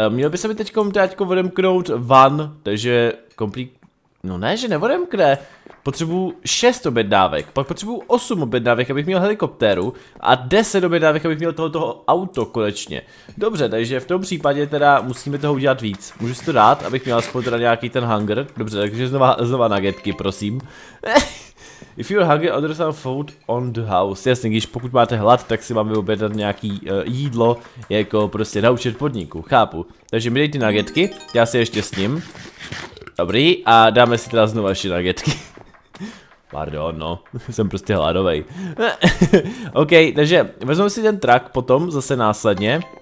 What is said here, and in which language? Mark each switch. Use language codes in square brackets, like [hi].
[cs] Měl by se mi teďko odemknout van, takže no ne, že neodemkne. Potřebuju 6 objednávek, pak potřebuju 8 objednávek, abych měl helikoptéru a 10 objednávek, abych měl tohoto auto konečně. Dobře, takže v tom případě teda musíme toho udělat víc. Můžu si to dát, abych měl aspoň teda nějaký ten hunger. Dobře, takže znova nuggetky, prosím. [en] If you're hungry, order some food on the house. [cs] Jasně, když pokud máte hlad, tak si máme objednat nějaký jídlo, jako prostě na účet podniku, chápu. Takže mi dej ty nuggetky, já si ještě s ním. Dobrý, a dáme si teda znovu ještě nuggetky. Pardon, no, jsem prostě hladovej. OK, takže vezmeme si ten truck potom zase následně.